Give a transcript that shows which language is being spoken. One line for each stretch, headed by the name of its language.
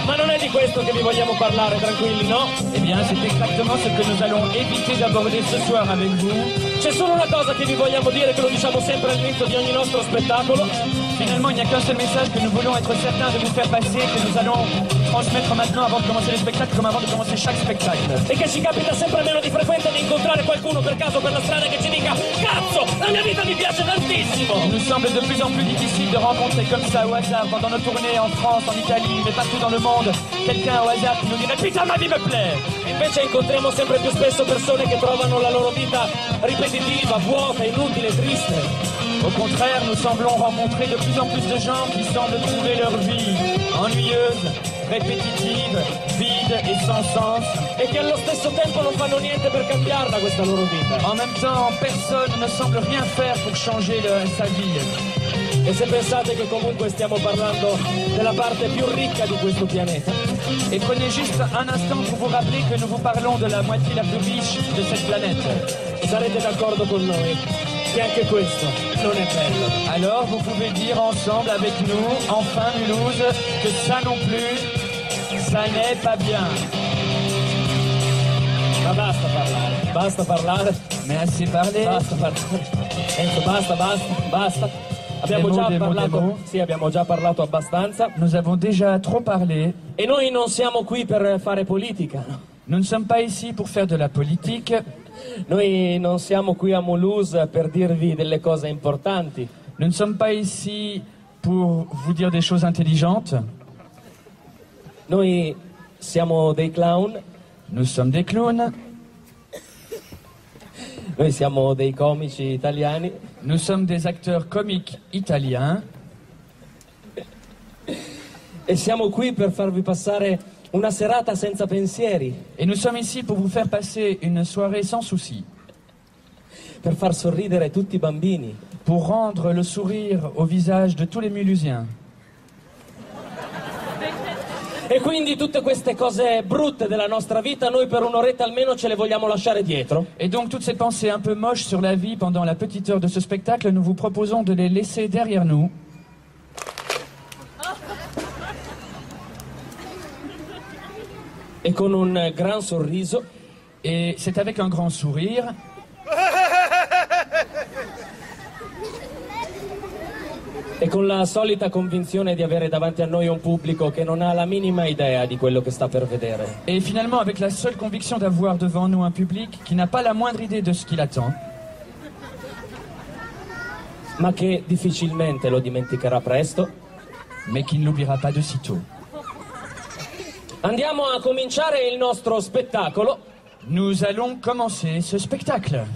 Italian: Ma non è di questo che vi vogliamo parlare, tranquilli, no?
French: Eh bien, c'est exactement ce que nous allons éviter d'aborder ce soir avec vous.
Italian: C'è solo una cosa che vi vogliamo dire, che lo diciamo sempre all'inizio di ogni nostro spettacolo.
French: Finalement, il n'y a qu'un seul message que nous voulons être certains de vous faire passer, que nous allons transmettre maintenant avant de commencer le spectacle, comme avant de commencer chaque spectacle.
Italian: E che ci capita sempre meno di frequente di incontrare qualcuno per caso per la strada che ci dica: cazzo, la mia vita mi piace tantissimo!
French: Il nous semble de plus en plus difficile de rencontrer comme ça au hasard, pendant nos tournées en France, en Italie, mais partout dans le monde, quelqu'un au hasard qui nous dirait: putain, ma vie me plaît!
Italian: Invece incontriamo sempre più spesso persone che trovano la loro vita ripetitiva, vuota, inutile, triste.
French: Au contraire, nous semblons rencontrer de plus en plus de gens qui semblent trouver leur vie ennuyeuse, répétitive, vide et sans sens. Et qui,
Italian: allo stesso tempo, non fanno niente per cambiarla, questa loro vita.
French: En même temps, personne ne semble rien faire pour changer sa vie.
Italian: E se pensate che comunque stiamo parlando della parte più ricca di questo pianeta.
French: Et prenez juste un instant pour vous rappeler que nous vous parlons de la moitié la plus riche de cette planète.
Italian: Sarete d'accordo con noi che anche questo non è bello.
French: Alors vous pouvez dire ensemble avec nous, enfin Mulhouse, que ça non plus, ça n'est pas bien.
Italian: Ma basta parlare. Basta parlare.
French: Mais assez parler.
Italian: Basta parlare. Enzo, basta, basta, basta. Abbiamo già parlato, sì, abbiamo già parlato abbastanza.
French: Nous avons déjà trop parlé.
Italian: E noi non siamo qui per fare politica.
French: Nous ne sommes pas ici pour faire de la politique.
Italian: Noi non siamo qui a Mulhouse per dirvi delle cose importanti.
French: Nous ne sommes pas ici pour vous dire des choses intelligentes.
Italian: Noi siamo dei clown.
French: Nous sommes des clowns.
Italian: Noi siamo dei comici italiani.
French: Nous sommes des acteurs comiques italiens.
Italian: E siamo qui per farvi passare una serata senza pensieri.
French: Et nous sommes ici pour vous faire passer une soirée sans soucis.
Italian: Per far sorridere tutti i bambini.
French: Pour rendre le sourire au visage de tous les Mulhousiens.
Italian: E quindi tutte queste cose brutte della nostra vita noi per un'oretta almeno ce le vogliamo lasciare dietro.
French: Et donc toutes ces pensées un peu moches sur la vie pendant la petite heure de ce spectacle, nous vous proposons de les laisser derrière nous.
Italian: E con un gran sorriso.
French: Et c'est avec un grand sourire.
Italian: E con la solita convinzione di avere davanti a noi un pubblico che non ha la minima idea di quello che sta per vedere. E finalmente,
French: avec la seule conviction d'avoir devant nous un public qui n'a pas la moindre idée de ce qu'il attend.
Italian: ma che difficilmente lo dimenticherà presto, ma che
French: non l'oublierà pas de sitôt.
Italian: Andiamo a cominciare il nostro spettacolo.
French: Nous allons commencer ce spectacle.